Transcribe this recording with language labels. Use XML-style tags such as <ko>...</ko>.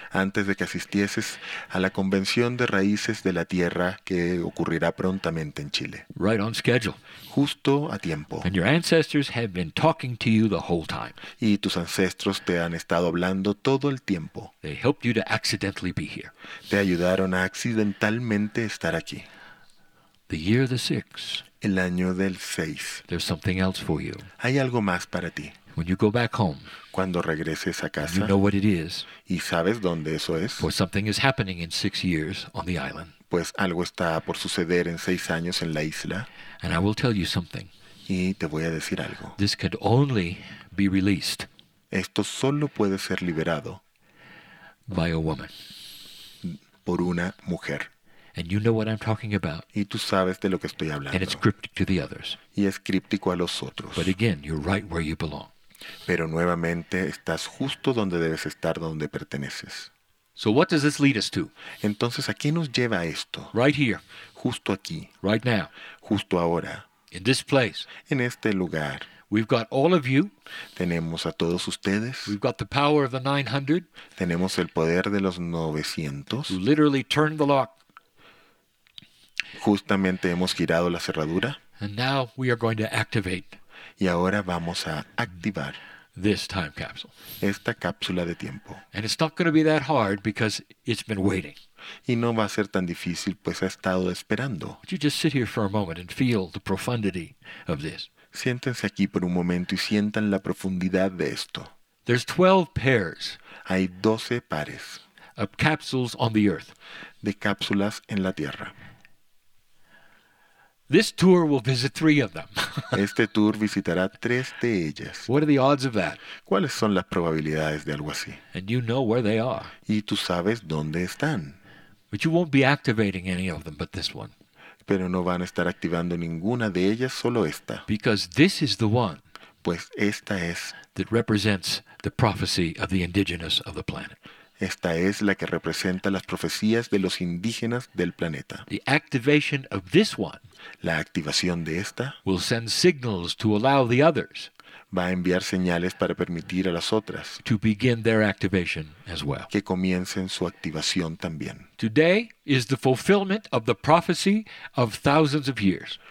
<es>Antes de que asistieses a la convención de raíces de la tierra que ocurrirá prontamente en Chile.</es> <en>Right on schedule.</en> <es>Justo a tiempo.</es> <en>And your ancestors have been talking to you the whole time.</en> <es>Y tus ancestros te han estado hablando todo el tiempo.</es> <en>They helped you to accidentally be here.</en> <es>Te ayudaron a accidentalmente estar aquí.</es> <en>The year of the six.</en> <es>El año del seis.</es> <en>There's something else for you.</en> <es>Hay algo más para ti.</es> <en>When you go back home,</en> <es>cuando regreses a casa,</es> <en>you know what it is,</en> <es>y sabes dónde eso es.</es> <en>For something is happening in 6 years on the island.</en> <es>Pues algo está por suceder en 6 años en la isla.</es> <en>And I will tell you something.</en> <es>Y te voy a decir algo.</es> <en>This could only be released.</en> <es>Esto solo puede ser liberado.</es> <en>By a woman.</en> <es>Por una mujer.</es> <en>And you know what I'm talking about.</en> <es>Y tú sabes de lo que estoy hablando.</es> <en>And it's cryptic to the others.</en> <es>Y es críptico a los otros.</es> <en>But again, you're right where you belong.</en> <es>Pero nuevamente estás justo donde debes estar, donde perteneces.</es> <en>So what does this lead us to?</en> <es>Entonces, ¿a qué nos lleva esto?</es> <en>Right here.</en> <es>Justo aquí.</es> <en>Right now.</en> <es>Justo ahora.</es> <en>In this place.</en> <es>En este lugar.</es> <en>We've got all of you.</en> <es>Tenemos a todos ustedes.</es> <en>We've got the power of the 900.</en> <es>Tenemos el poder de los 900.</es> <en>Who literally turned the lock.</en> <es>Justamente hemos girado la cerradura.</es> <en>And now we are going to activate.</en> <es>Y ahora vamos a activar</es> <en>this time capsule.</en> <es>Esta cápsula de tiempo.</es> <en>And it's not going to be that hard because it's been waiting.</en> <es>Y no va a ser tan difícil, pues ha estado esperando.</es> <en>Would you just sit here for a moment and feel the profundity of this?</en> <es>Siéntense aquí por un momento y sientan la profundidad de esto.</es> <en>There's 12 pairs.</en> <es>Hay 12 pares.</es> <en>Of capsules on the earth.</en> <es>De cápsulas en la tierra.</es> <en>This tour will visit 3 of them.</en> <es>Este tour visitará 3 de ellas.</es> <en>What are the odds of that?</en> <es>¿Cuáles son las probabilidades de algo así?</es> <en>And you know where they are.</en> <es>Y tú sabes dónde están.</es> <en>But you won't be activating any of them but this one.</en> <es>Pero no van a estar activando ninguna de ellas, solo esta.</es> <en>Because this is the one.</en> <es>Pues esta es.</es> <en>That represents the prophecy of the indigenous of the planet.</en> <es>Esta es la que representa las profecías de los indígenas del planeta.</es> <en>The activation of this one.</en> <es>La activación de esta</es> <en>will send signals to allow the others</en> <es>va a enviar señales para permitir a las otras</es> <en>to begin their activation as well.</en> <es>Que comiencen su activación también.</es> <en>Today is the fulfillment of the prophecy of thousands of years.</en>